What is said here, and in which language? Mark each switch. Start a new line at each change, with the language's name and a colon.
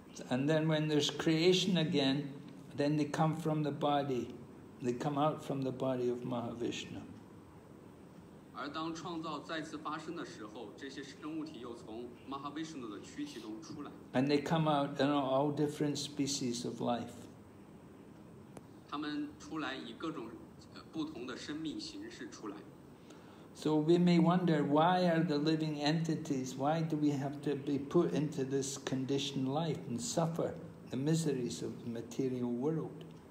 English: And then when there's creation again, then they come from the body, they come out from the body of Mahavishnu.
Chinese: 而当创造再次发生的时候, 这些生物体又从 Mahavishnu的躯体中出来。
English: And they come out in all different species of life.
Chinese: 他们出来以各种, 不同的生命形式出来。
English: So we may wonder, why are the living entities, why do we have to be put into this conditioned life and suffer the miseries of the material world?